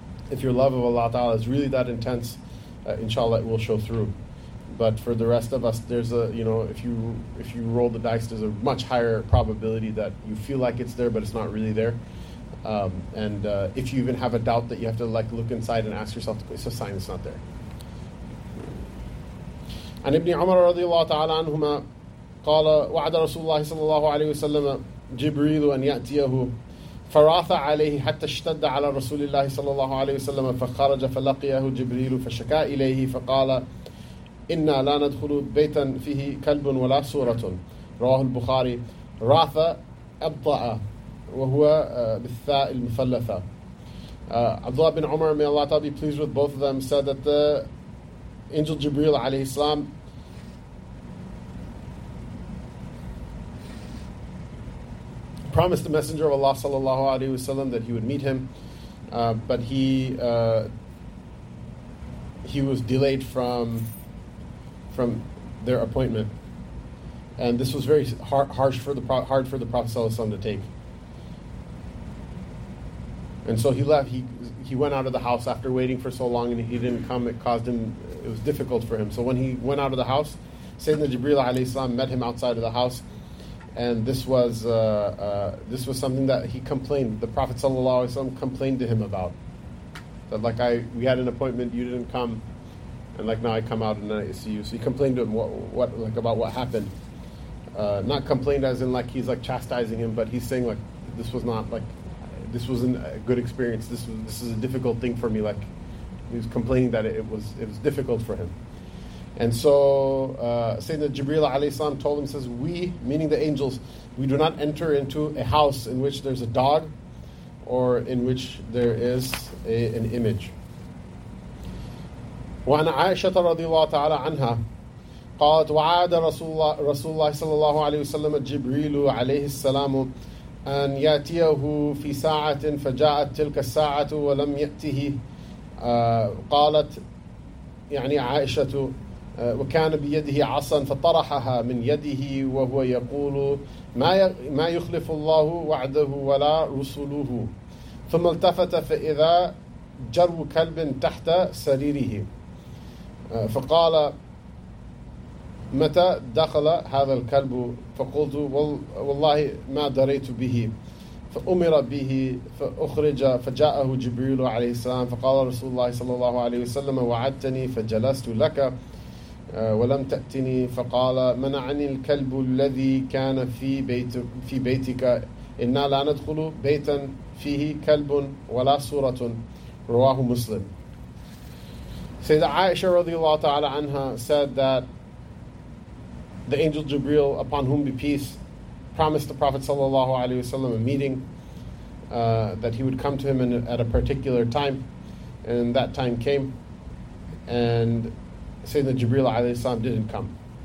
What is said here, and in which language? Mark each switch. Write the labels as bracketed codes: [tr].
[en] If your love of Allah Ta'ala is really that intense, inshallah, it will show through. But for the rest of us, there's a, you know, if you roll the dice, there's a much higher probability that you feel like it's there, but it's not really there. If you even have a doubt, that you have to, like, look inside and ask yourself, it's a sign it's not there. [ar] عن ابن عمر رضي الله تعالى عنهما قال وعد رسول الله صلى الله عليه وسلم جبريل أن يأتيه فراث عليه حتى اشتد على رسول الله صلى الله عليه وسلم فخرج فلقيه جبريل فشكى إليه فقال إنا لا ندخل بيتا فيه كلب ولا سورة رواه البخاري راث أبطأ وهو بالثاء المثلثة عبد الله بن عمر [en] may Allah be pleased with both of them said that the angel Jibreel [ar] عليه السلام [en] promised the Messenger of Allah sallallahu alaihi wasallam that he would meet him, but he was delayed from their appointment, and this was very hard for the Prophet sallallahu alaihi wasallam to take. And so he left. He went out of the house after waiting for so long, and he didn't come. It caused him. It was difficult for him. So when he went out of the house, Sayyidina Jibreel alaihi wasallam met him outside of the house. And this was something that he complained. The Prophet sallallahu alaihi wasallam complained to him about that. Like, we had an appointment, you didn't come, and like now I come out and then I see you. So he complained to him what like about what happened. Not complained as in like he's like chastising him, but he's saying like this wasn't a good experience. This is a difficult thing for me. Like, He was complaining that it was difficult for him. And so Sayyidina Jibreel alayhi salam told him, says, we, meaning the angels, we do not enter into a house in which there's a dog or in which there is an image. [ar] وعن عائشة رضي الله تعالى عنها قالت وعاد رسول الله صلى الله عليه وسلم جبريل عليه السلام أن يأتيه في ساعة فجاءت تلك الساعة ولم يأته قالت يعني عائشة وكان بيده عصا فطرحها من يده وهو يقول ما يخلف الله وعده ولا رسله ثم التفت فإذا جرو كلب تحت سريره فقال متى دخل هذا الكلب فقلت والله ما دريت به فأمر به فأخرج فجاءه جبريل عليه السلام فقال رسول الله صلى الله عليه وسلم وعدتني فجلست لك ولم تأتني فقال منعني الكلب الذي كان في بيتك إنا لا ندخل بيتا فيه كلب ولا صورة رواه مسلم. [en] Sayyidina Aisha radiallahu ta'ala anha said that the angel Jibreel, upon whom be peace, promised the Prophet sallallahu alaihi wasallam a meeting, that he would come to him at a particular time, and that time came, and Sayyidina Jibreel alayhi salam didn't come.